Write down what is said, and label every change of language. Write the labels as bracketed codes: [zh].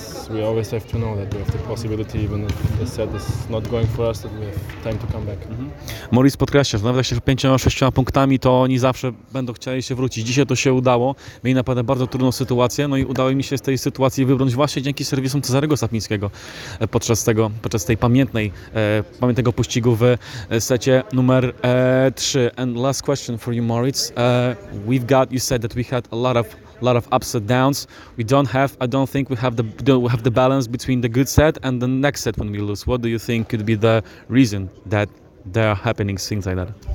[en] We always have to know that we have the possibility, even if the set is not going for us, that we have time to come back. Mm-hmm. [pl] Moritz podkreśla, że nawet jak się 5-6 punktami, to oni zawsze będą chcieli się wrócić. Dzisiaj to się udało. Mieli naprawdę bardzo trudną sytuację, no i udało mi się z tej sytuacji wybrnąć właśnie dzięki serwisom Cezarego Sapińskiego podczas tej pamiętnego pościgu w secie numer 3. [en] And last question for you, Moritz. You said that we had a lot of ups and downs. I don't think we have the balance between the good set and the next set when we lose. What do you think could be the reason that there are happening things like that?